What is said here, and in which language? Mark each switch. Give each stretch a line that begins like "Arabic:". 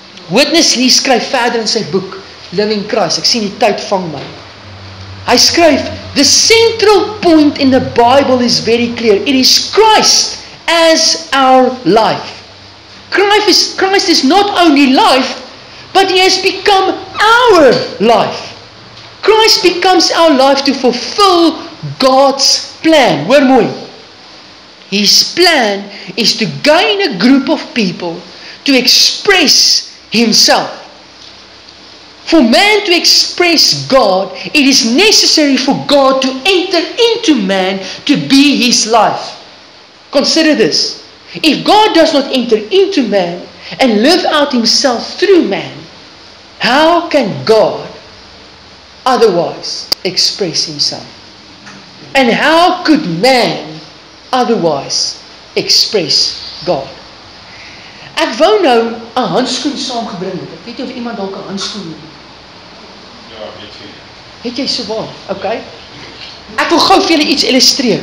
Afrikaans: Witness Lee skryf verder in sy boek, Living Christ, ek sien die tyd vang my. Hy skryf,
English: the central point in the Bible is very clear, it is Christ as our life. Christ is not only life, but he has become our life. Christ becomes our life to fulfill God's plan.
Afrikaans: Hoor mooi.
English: His plan is to gain a group of people to express himself. For man to express God, it is necessary for God to enter into man to be his life. Consider this. If God does not enter into man and live out himself through man, how can God otherwise express himself? And how could man otherwise express God?
Afrikaans: Ek wou nou een handskoen saamgebring het. Ek weet nie of iemand ook een handskoen het. Ja, weet jy. Het jy so waar? Ok. Ek wil gauw vir julle iets illustreer.